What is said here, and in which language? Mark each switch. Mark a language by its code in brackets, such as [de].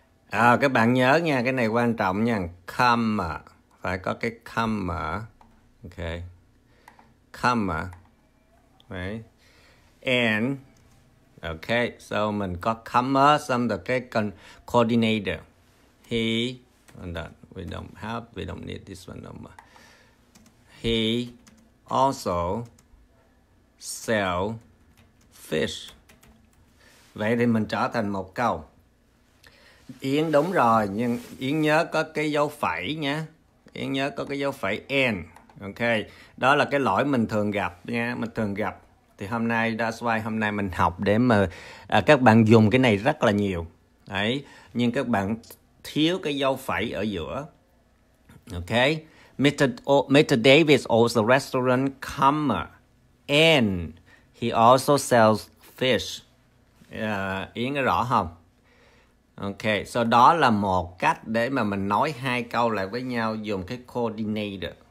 [vi] À, các bạn nhớ nha, cái này quan trọng nha. [en] Comma. [vi] Phải có cái [en] comma. Ok. Comma. Right. And ok, so [vi] mình có comma xong rồi cái coordinator. [en] He and that we don't need this one no more. He also sell fish. [vi] Vậy thì mình trở thành một câu. Yến đúng rồi, nhưng Yến nhớ có cái dấu phẩy nha. Yến nhớ có cái dấu phẩy and. Ok, đó là cái lỗi mình thường gặp nha. Mình thường gặp. Thì hôm nay, [en] that's why [vi] hôm nay mình học để mà các bạn dùng cái này rất là nhiều. Đấy, nhưng các bạn thiếu cái dấu phẩy ở giữa. [en] Ok, Mr. Davis owns a restaurant comma and he also sells fish. [vi] Yến có rõ không? Ok, so đó là một cách để mà mình nói hai câu lại với nhau dùng cái coordinator.